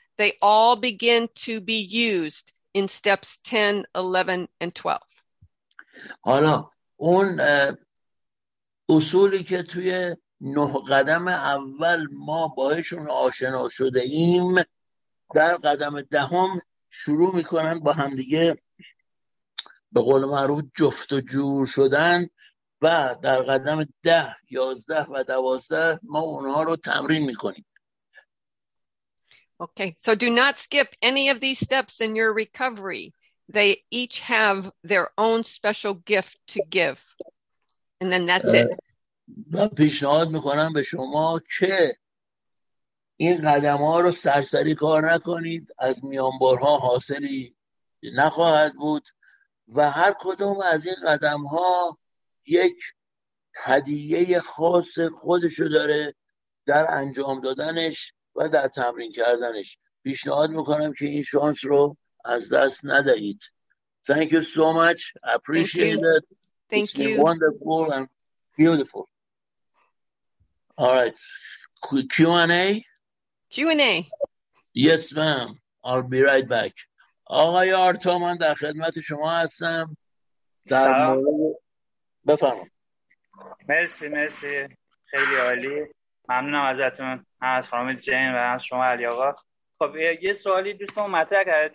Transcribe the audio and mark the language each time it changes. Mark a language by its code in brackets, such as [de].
[en] They all begin to be used in steps 10, 11, and 12. [fa] حالا اون اصولی که توی نه قدم اول ما باهشون آشنا شده ایم در قدم دهم شروع میکنن با همدیگه به قول معروف جفت و جور شدن و در قدم [en] 10, 11, and 12 [fa] ما اونها رو تمرین میکنیم. [en] Okay, so do not skip any of these steps in your recovery. They each have their own special gift to give. And then that's it. [fa] من پیشنهاد میکنم به شما که این قدم ها رو سرسری کار نکنید. از میانبرها حاصلی نخواهد بود و هر کدوم از این قدم ها یک هدیه خاص خودشو داره در انجام دادنش و در تمرین کردنش. پیشنهاد میکنم که این شانس رو از دست ندهید. [en] Thank you so much. I appreciate Thank you. it. Thank It's you. been wonderful and beautiful. All right. Q&A? Q&A. Q&A. Yes, ma'am. I'll be right back. [fa] آقای آرتا، من در خدمت شما هستم. در سلام. مورد بفرمایید. مرسی مرسی. خیلی عالی. ممنونم ازتون. هم از خانم جین و هم از شما علی آقا. خب یه سوالی دوستان مطرح کرده.